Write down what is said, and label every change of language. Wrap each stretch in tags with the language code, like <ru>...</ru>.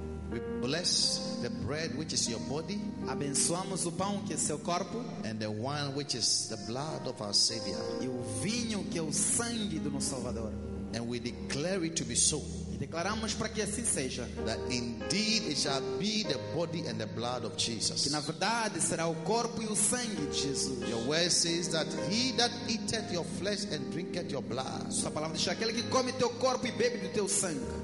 <en>We bless the bread which is your body.</en> <pt>Abençoamos o pão que é seu corpo.</pt> <en>And the wine which is the blood of our Savior.</en> <pt>E o vinho que é o sangue do nosso Salvador.</pt> <en>And we declare it to be so.</en> <pt>E declaramos para que assim seja.</pt> <en>That indeed it shall be the body and the blood of Jesus.</en> <pt>Que na verdade será o corpo e o sangue de Jesus.</pt> <en>Your word says that he that eateth your flesh and drinketh your blood.</en> <pt>Sua palavra diz que aquele que come teu corpo e bebe do teu sangue,</pt>